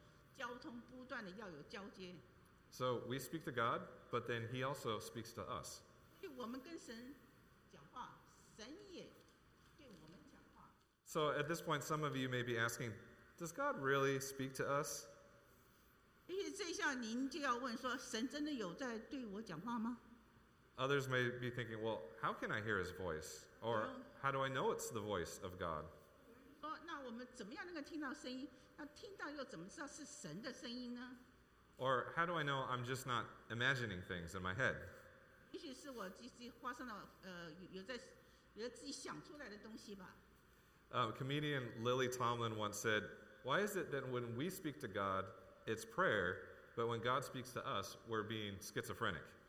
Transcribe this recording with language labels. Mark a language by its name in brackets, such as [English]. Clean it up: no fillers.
[Chinese] 我们被创造就是要与神有关系，也就是能够与神有关系，就是不断要有交通，不断的要有交接。 [English] So we speak to God, but then he also speaks to us. [Chinese] 我们跟神讲话，神也对我们讲话。 [English] So at this point, some of you may be asking, does God really speak to us? [Chinese] 这下您就要问说，神真的有在对我讲话吗？ [English] Others may be thinking, well, how can I hear his voice? Or how do I know it's the voice of God? [Chinese] 那我们怎么样能够听到声音？那听到又怎么知道是神的声音呢？ [English] Or how do I know I'm just not imagining things in my head? [Chinese] 也许是我自己画上了，有在自己想出来的东西吧。 [English] Comedian Lily Tomlin once said, why is it that when we speak to God, it's prayer, but when God speaks to us, we're being schizophrenic.